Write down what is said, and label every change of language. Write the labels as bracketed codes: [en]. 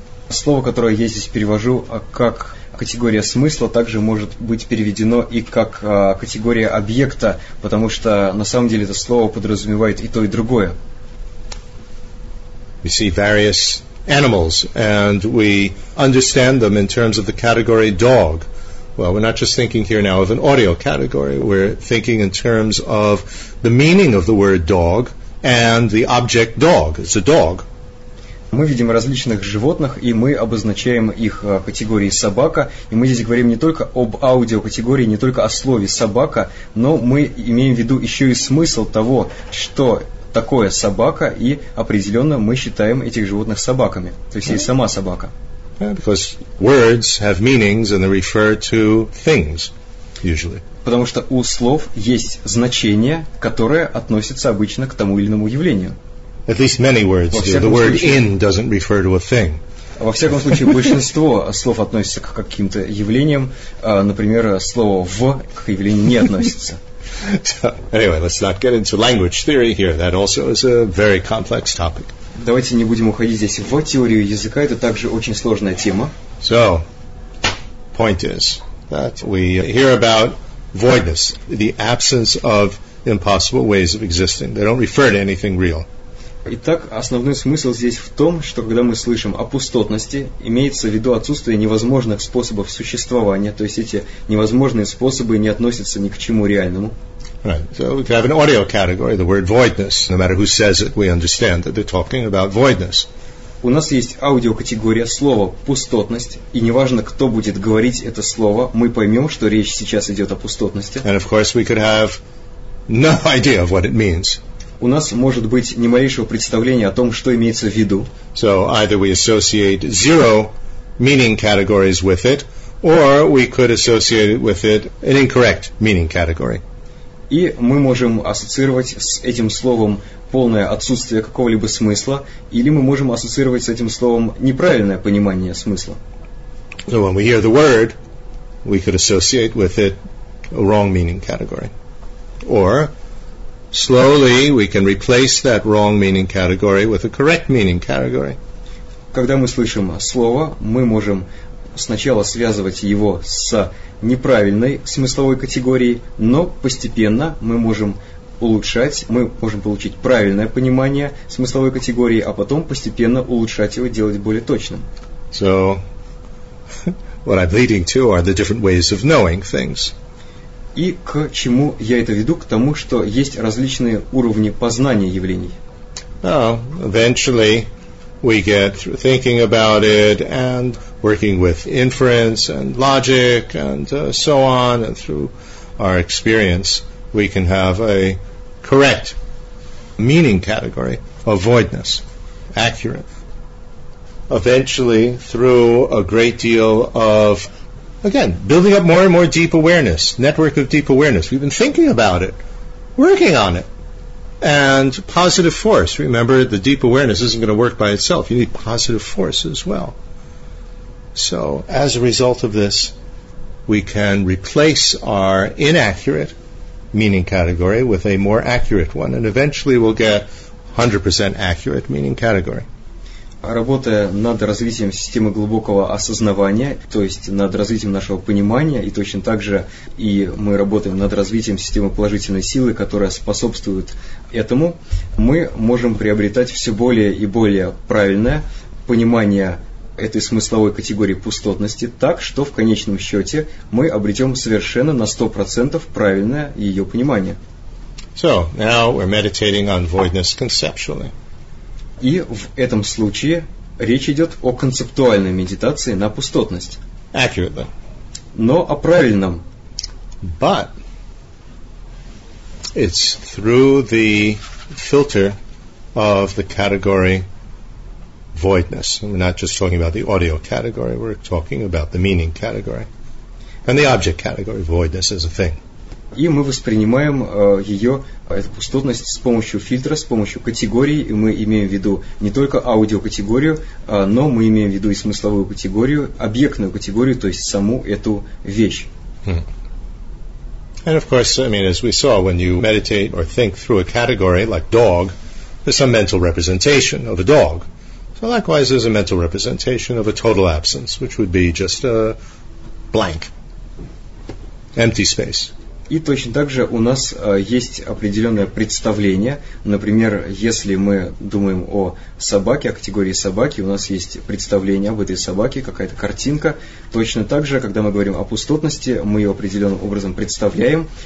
[ru] Слово, которое я здесь перевожу как категория смысла также может быть переведено и как категория объекта, потому что на самом деле это слово подразумевает и то, и другое. [en] We see various animals, and we understand them in terms of the category dog. Well, we're not just thinking here now of an audio category. We're thinking in terms of the meaning of the word dog and the object dog. It's a dog. [ru] Мы видим различных животных, и мы обозначаем их категории собака. И мы здесь говорим не только об аудиокатегории, не только о слове собака, но мы имеем в виду еще и смысл того, что такое собака, и определенно мы считаем этих животных собаками. То есть и сама собака. [en] Because words have meanings and they refer to things, usually. [ru] Потому что у слов есть значение, которое относится обычно к тому или иному явлению. [en] At least many words do. The word in doesn't refer to a thing. [ru] Во всяком случае, большинство слов относится к каким-то явлениям. Например, слово «в» к явлению не относится. [en] So, anyway, let's not get into language theory here. That also is a very complex topic. [ru] Давайте не будем уходить здесь в теорию языка. Это также очень сложная тема. [en] So, point is that we hear about voidness, the absence of impossible ways of existing. They don't refer to anything real. [ru] Итак, основной смысл здесь в том, что когда мы слышим о пустотности, имеется в виду отсутствие невозможных способов существования, то есть эти невозможные способы не относятся ни к чему реальному. [en] Right. So we have an audio category, the word voidness. No matter who says it, we understand that they're talking about voidness. [ru] У нас есть аудиокатегория слова «пустотность», и неважно, кто будет говорить это слово, мы поймем, что речь сейчас идет о пустотности. [en] And of course we could have no idea of what it means. [ru] У нас может быть ни малейшего представления о том, что имеется в виду. [en] So either we associate zero meaning categories with it, or we could associate with it an incorrect meaning category. [ru] И мы можем ассоциировать с этим словом полное отсутствие какого-либо смысла, или мы можем ассоциировать с этим словом неправильное понимание смысла. [en] So when we hear the word, we could associate with it a wrong meaning category. Or slowly we can replace that wrong meaning category with a correct meaning category. [ru] Когда мы слышим слово, мы можем сначала связывать его с неправильной смысловой категорией, но постепенно мы можем улучшать, мы можем получить правильное понимание смысловой категории, а потом постепенно улучшать его, делать более точным. [en] So, what I'm leading to are the different ways of knowing things. [ru] И к чему я это веду? К тому, что есть различные уровни познания явлений. [en] Eventually we get thinking about it and working with inference and logic and so on, and through our experience we can have a correct meaning category of voidness, accurate. Eventually, through a great deal of, again, building up more and more deep awareness, network of deep awareness. We've been thinking about it, working on it. And positive force. Remember, the deep awareness isn't going to work by itself. You need positive force as well. So, as a result of this, we can replace our inaccurate meaning category with a more accurate one. And eventually we'll get 100% accurate meaning category. [ru] Работая над развитием системы глубокого осознавания, то есть над развитием нашего понимания, и точно так же и мы работаем над развитием системы положительной силы, которая способствует этому, мы можем приобретать все более и более правильное понимание этой смысловой категории пустотности так, что в конечном счете мы обретем совершенно на 100% правильное ее понимание. [en] So, now we're meditating on voidness conceptually. [ru] И в этом случае речь идет о концептуальной медитации на пустотность. [en] Accurately. [ru] Но о правильном. [en] But it's through the filter of the category voidness. We're not just talking about the audio category, we're talking about the meaning category. And the object category, voidness as a thing. [ru] И мы воспринимаем эту пустотность с помощью фильтра, с помощью категории, и мы имеем в виду не только аудиокатегорию, но мы имеем в виду и смысловую категорию, объектную категорию, то есть саму эту вещь. [en] And of course, I mean, as we saw, when you meditate or think through a category like dog, there's some mental representation of a dog. So likewise, there's a mental representation of a total absence, which would be just a blank, empty space. [ru] И точно так же у нас есть определенное представление. Например, если мы думаем о собаке, о категории собаки, у нас есть представление об этой собаке, какая-то картинка. Точно так же, когда мы говорим о пустотности, мы ее определенным образом представляем.